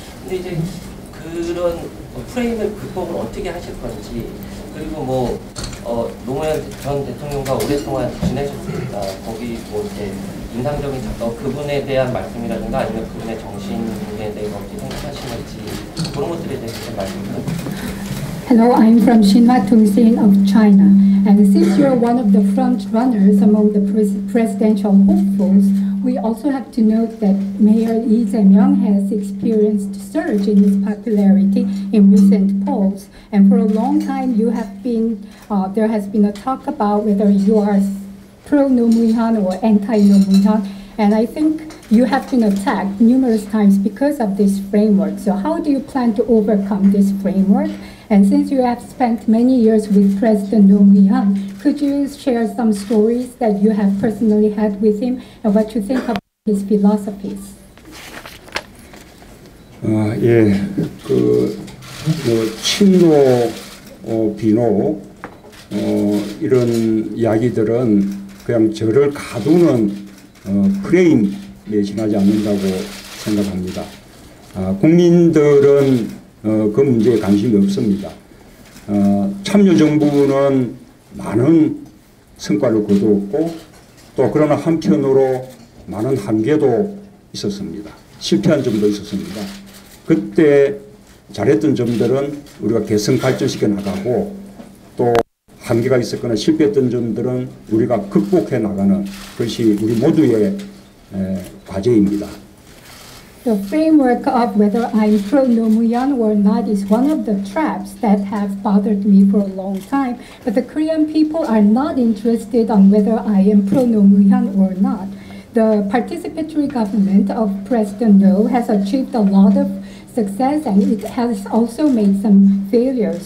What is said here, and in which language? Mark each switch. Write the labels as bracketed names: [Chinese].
[Korean] 근데 이제 그런 프레임을 극복을 어떻게 하실 건지 그리고 뭐 노무현 전 대통령과 오랫동안 지내셨으니까 거기 뭐 이제 인상적인 그분에 대한 말씀이라든가 아니면 그분의 정신에 대해서 어떻게 생각하시는지 그런 것들에 대해서 좀 말씀드릴까요? [English] Hello, I'm from Xinhua Tongxin of China. And since you're one of the front runners among the presidential hopefuls, we also have to note that Mayor Lee Jae-myung has experienced surge in his popularity in recent polls. And for a long time, you have been, there has been a talk about whether you are pro-Nomuhan or anti-Nomuhan. And I think you have been attacked numerous times because of this framework. So how do you plan to overcome this framework? And since you have spent many years with President Nomuhan, could you share some stories that you have personally had with him and what you think of his philosophies? [Korean] 예, 그, 뭐, 친노, 비노, 이런 이야기들은 그냥 저를 가두는 프레임에 지나지 않는다고 생각합니다. 국민들은 그 문제에 관심이 없습니다. 참여정부는 많은 성과를 거두었고 또 그러나 한편으로 많은 한계도 있었습니다. 실패한 점도 있었습니다. 그때 잘했던 점들은 우리가 개선 발전시켜 나가고 또 한계가 있었거나 실패했던 점들은 우리가 극복해 나가는 것이 우리 모두의 과제입니다. [English] The framework of whether I'm pro-Nomuyan or not is one of the traps that have bothered me for a long time. But the Korean people are not interested on whether I am pro-Nomuyan or not. The participatory government of President No has achieved a lot of success and it has also made some failures.